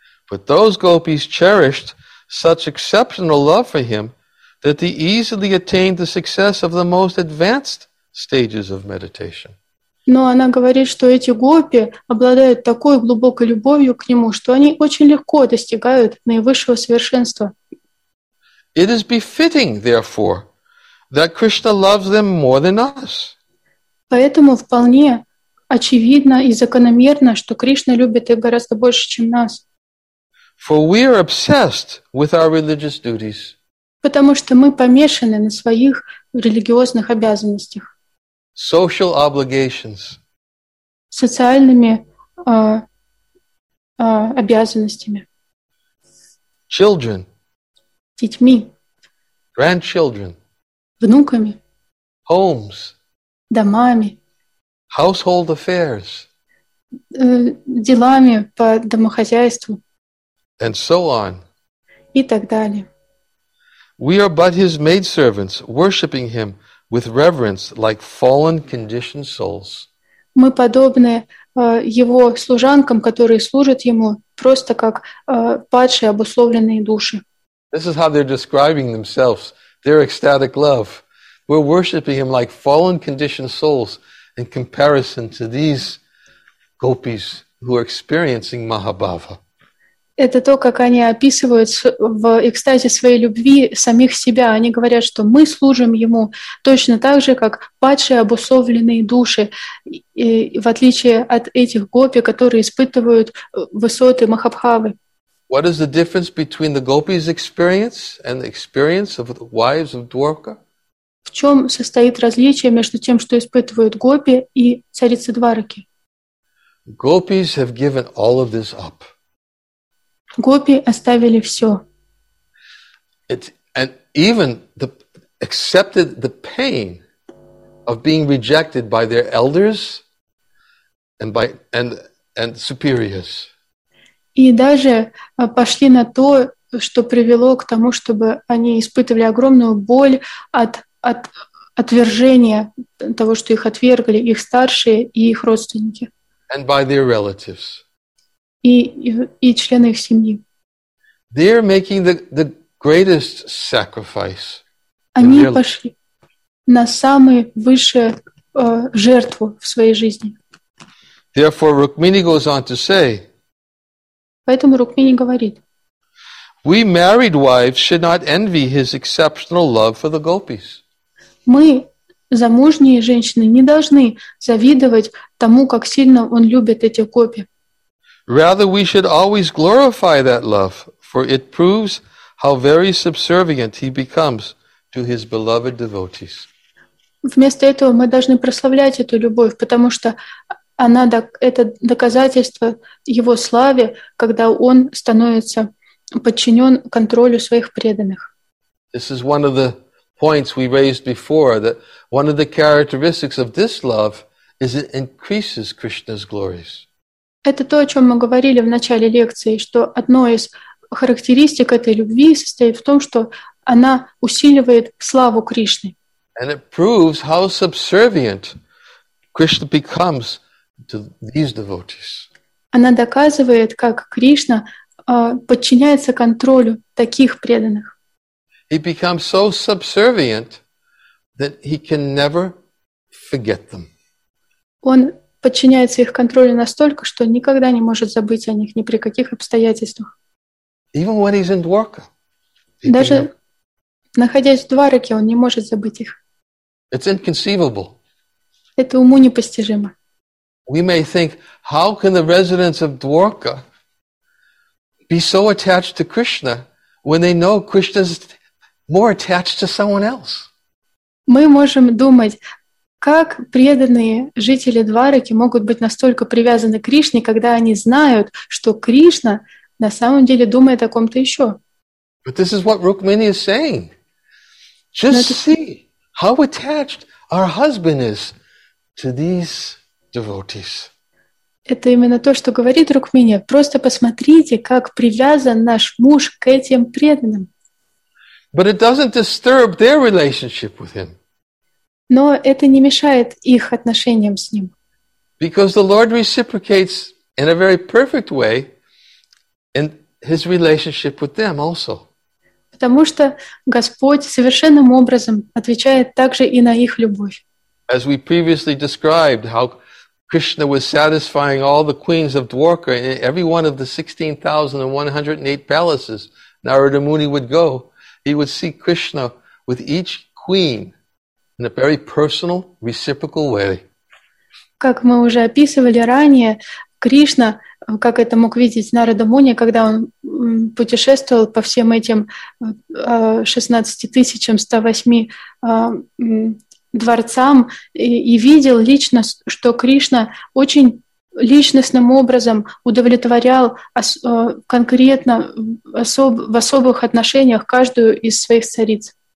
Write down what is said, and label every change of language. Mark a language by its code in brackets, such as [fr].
[en] But those gopis cherished such exceptional love for him that they easily attained the success of the most advanced stages of meditation. [ru] Но она говорит, что эти гопи обладают такой глубокой любовью к нему, что они очень легко достигают наивысшего совершенства. [en] It is befitting, therefore, that Krishna loves them more than us. [ru] Поэтому вполне очевидно и закономерно, что Кришна любит их гораздо больше, чем нас. [en] For we are obsessed with our religious duties. [ru] Потому что мы помешаны на своих религиозных обязанностях. [en] Social obligations. [ru] Социальными обязанностями. [en] Children. [ru] Детьми. [en] Grandchildren. [ru] Внуками. [en] Homes. [ru] Домами. [en] Household affairs. [ru] Делами по домохозяйству. [en] And so on. [ru] И так далее. [en] We are but his maidservants, worshipping him with reverence like fallen conditioned souls. [ru] Мы подобны его служанкам, которые служат ему просто как падшие обусловленные души. [en] This is how they're describing themselves, their ecstatic love. We're worshipping him like fallen conditioned souls in comparison to these gopis who are experiencing Mahabhava. [ru] Это то, как они описывают в экстазе своей любви самих себя. Они говорят, что мы служим ему точно так же, как падшие обусловленные души, и в отличие от этих гопи, которые испытывают высоты Махабхавы. [en] What is the difference between the gopis' experience and the experience of the wives of Dwarka? [ru] В чем состоит различие между тем, что испытывают гопи и царицы Двараки? [en] Gopis have given all of this up. [ru] Гопи оставили все. [en] And even the accepted the pain of being rejected by their elders and superiors. [ru] И даже пошли на то, что привело к тому, чтобы они испытывали огромную боль от отвержения того, что их отвергли, их старшие и их родственники. [en] And by their relatives. [ru] И члены их семьи. [en] They're making the greatest sacrifice. [ru] Они пошли на самую высшую жертву в своей жизни. [en] Therefore, Rukmini goes on to say, [ru] поэтому Рукмини говорит, [en] we married wives should not envy his exceptional love for the gopis. [ru] Мы, замужние женщины, не должны завидовать тому, как сильно он любит этих гопи. [en] Rather, we should always glorify that love, for it proves how very subservient he becomes to his beloved devotees. [ru] Вместо этого мы должны прославлять эту любовь, потому что она это доказательство его славе, когда он становится подчинен контролю своих преданных. [en] This is one of the points we raised before, that one of the characteristics of this love is it increases Krishna's glories. [ru] Это то, о чем мы говорили в начале лекции, что одно из характеристик этой любви состоит в том, что она усиливает славу Кришны. [en] And it proves how subservient Krishna becomes to these devotees. [ru] Она доказывает, как Кришна подчиняется контролю таких преданных. [en] He becomes so subservient that he can never forget them. [ru] Он подчиняется их контролю настолько, что никогда не может забыть о них ни при каких обстоятельствах. [en] Even when he's in Dwarka, [ru] даже находясь в Двараке, он не может забыть их. [en] It's inconceivable. [ru] Это уму непостижимо. [en] We may think, how can the residents of Dwarka be so attached to Krishna when they know Krishna's more attached to someone else? [ru] Мы можем думать, как преданные жители Двараки могут быть настолько привязаны к Кришне, когда они знают, что Кришна на самом деле думает о ком-то еще? [en] But this is what Rukmini is saying. Just see how attached our husband is to these devotees. [ru] Это именно то, что говорит Рукмини. Просто посмотрите, как привязан наш муж к этим преданным. [en] But it doesn't disturb their relationship with him. [ru] Но это не мешает их отношениям с ним. [en] Because the Lord reciprocates in a very perfect way in his relationship with them also. [ru] Потому что Господь совершенным образом отвечает также и на их любовь. [en] As we previously described, how Krishna was satisfying all the queens of Dwarka in every one of the 16,108 palaces Narada Muni would go, he would see Krishna with each queen in a very personal, reciprocal way. [ru] Как мы уже описывали ранее, Кришна, как это мог видеть Нарада Муни, когда он путешествовал по всем этим 16108 дворцам и видел лично, что Кришна очень личностным образом удовлетворял конкретно в особых отношениях каждую из своих цариц.